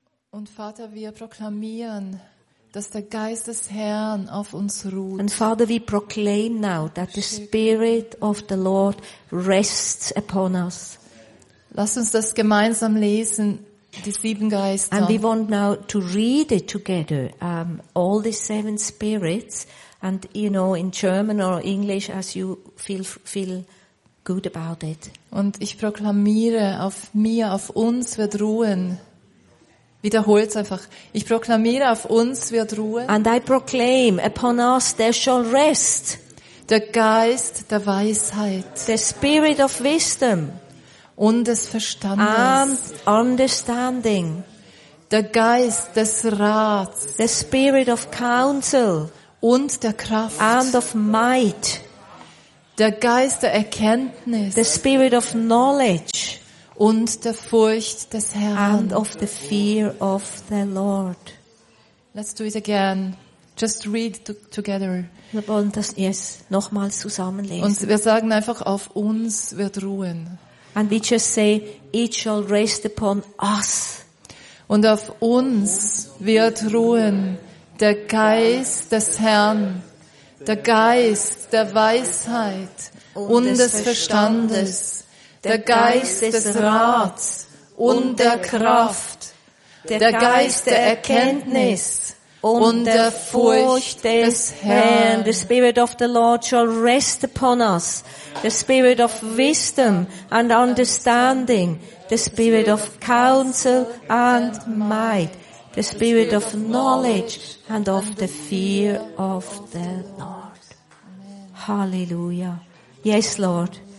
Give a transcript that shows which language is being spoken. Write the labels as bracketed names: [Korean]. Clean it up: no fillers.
[German] Und Vater, wir proklamieren, dass der Geist des Herrn auf uns ruht. [English] And Father, we proclaim now that the Spirit of the Lord rests upon us. [German] Lasst uns das gemeinsam lesen, die sieben Geister. [English] And we want now to read it together, all the seven spirits, and you know, in German or English, as you feel good about it. [German] Und ich proklamiere, auf mir, auf uns wird ruhen. Wiederholt einfach. Ich proklamiere, auf uns wird ruhen. [English] And I proclaim, upon us there shall rest. [German] Der Geist der Weisheit. [English] The Spirit of wisdom. [German] Und des Verstandes. [English] And understanding. [German] Der Geist des Rats. [English] The Spirit of counsel. [German] Und der Kraft. [English] And of might. [German] Der Geist der Erkenntnis. [English] The Spirit of knowledge. [German] Und der Furcht des Herrn. [English] And of the fear of the Lord. Let's do it again. Just read together. [German] Wir wollen das jetzt nochmals zusammenlesen. Und wir sagen einfach, auf uns wird ruhen. [English] And we just say, it shall rest upon us. [German] Und auf uns wird ruhen der Geist des Herrn, der Geist der Weisheit und des Verstandes. Der Geist des Rats und der Kraft, der Geist der Erkenntnis und der Furcht des Herrn. [English] The Spirit of the Lord shall rest upon us. The Spirit of wisdom and understanding. The Spirit of counsel and might. The Spirit of knowledge and of the fear of the Lord. Hallelujah. Yes, Lord.